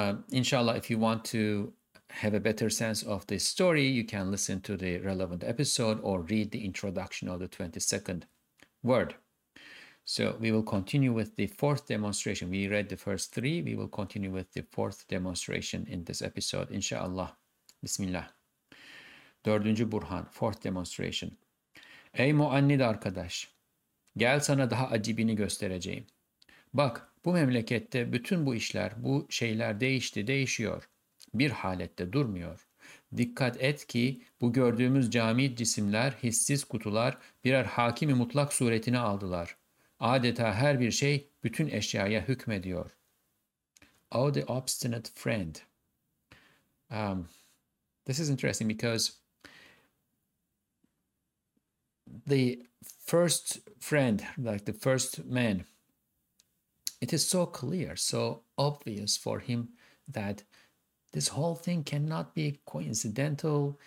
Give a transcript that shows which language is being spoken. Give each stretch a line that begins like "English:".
English: Inshallah, if you want to have a better sense of this story, you can listen to the relevant episode or read the introduction of the 22nd word. So we will continue with the fourth demonstration. We read the first three. We will continue with the fourth demonstration in this episode, inshallah.
Turkish: Bismillah. Dördüncü burhan,
English: fourth demonstration.
Turkish: Ey muannid arkadaş, gel sana daha acibini göstereceğim. Bak, bu memlekette bütün bu işler, bu şeyler değişti, değişiyor. Bir halette durmuyor. Dikkat et ki bu gördüğümüz cami cisimler, hissiz kutular birer hakimi mutlak suretini aldılar. Adeta her bir şey bütün eşyaya hükmediyor.
English: Oh, the obstinate friend. This is interesting because the first friend, like the first man, it is so clear, so obvious for him that this whole thing cannot be coincidental.